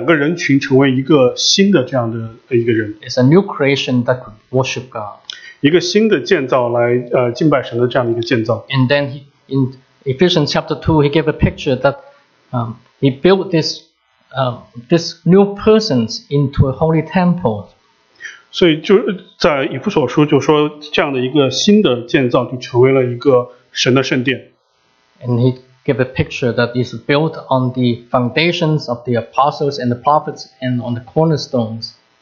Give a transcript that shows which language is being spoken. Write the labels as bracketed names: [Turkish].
[Chinese] 使这样的两个人群成为一个新的这样的一个人。 [English] It's a new creation that could worship God. [Chinese] 一个新的建造来敬拜神的这样的一个建造。 [English] And then in Ephesians chapter 2, he gave a picture that he built this new persons into a holy temple. [Chinese] 所以就在以弗所书就说这样的一个新的建造就成为了一个神的圣殿。 [English] And he gave a picture that is built on the foundations of the apostles and the prophets and on the cornerstones.